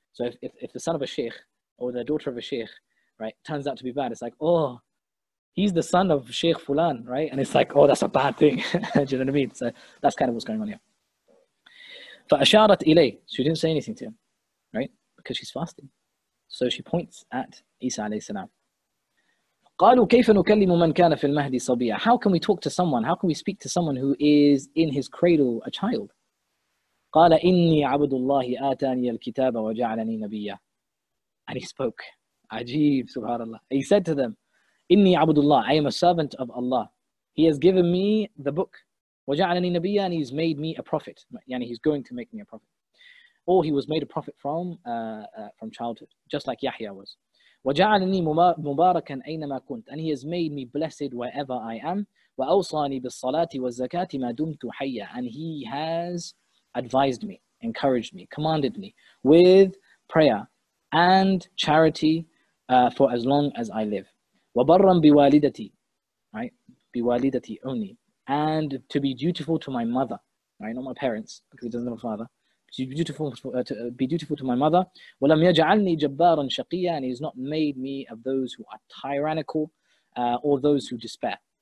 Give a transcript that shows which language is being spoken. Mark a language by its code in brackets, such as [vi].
[en] So if the son of a sheikh or the daughter of a sheikh, right, turns out to be bad, it's like, oh, he's the son of Sheikh Fulan, right? And it's like, oh, that's a bad thing. Do you know what I mean? So that's kind of what's going on here. [ar] فَأَشَارَتْ إِلَيْهِ [en] She didn't say anything to him, right? Because she's fasting. So she points at Isa alayhi salam. [ar] قَالُوا كَيْفَ نُكَلِّمُ مَنْ كَانَ فِي الْمَهْدِ صَبِيًّا [en] How can we talk to someone? [ar] How can we speak to someone who is in his cradle, a child? قَالَ إِنِّي عَبْدُ اللَّهِ آتَانِيَ الْكِتَابَ وَجَعْلَنِي نَبِيًّا [en] And he spoke. Ajeeb, subhanAllah. He said to them, [ar] إِنِّي عَبْدُ اللَّهِ [en] I am a servant of Allah. He has given me the book. [ar] وَجَعْلَنِي نَبِيًّا [en] And he's made me a prophet. Yani he's going to make me a prophet. Or he was made a prophet from childhood, just like Yahya was. [ar] وَجَعَلَنِي مُبَارَكًا أَيْنَمَا كُنْتُ [en] And he has made me blessed wherever I am. [ar] وَأَوْصَانِي بِالصَّلَاةِ وَالزَّكَاةِ مَا دُمْتُ حَيَّا [en] And he has advised me, encouraged me, commanded me with prayer and charity for as long as I live. [ar] وَبَرًّا بِوَالِدَتِي [en] Right? [ar] بِوَالِدَتِي [en] only. And to be dutiful to my mother. Right? Not my parents, because he doesn't have a father. Be dutiful to my mother. [ar] وَلَمْ يَجْعَلْنِي جَبَّارًا شَقِيًّا [en] And he has not made me of those who are tyrannical or those who despair.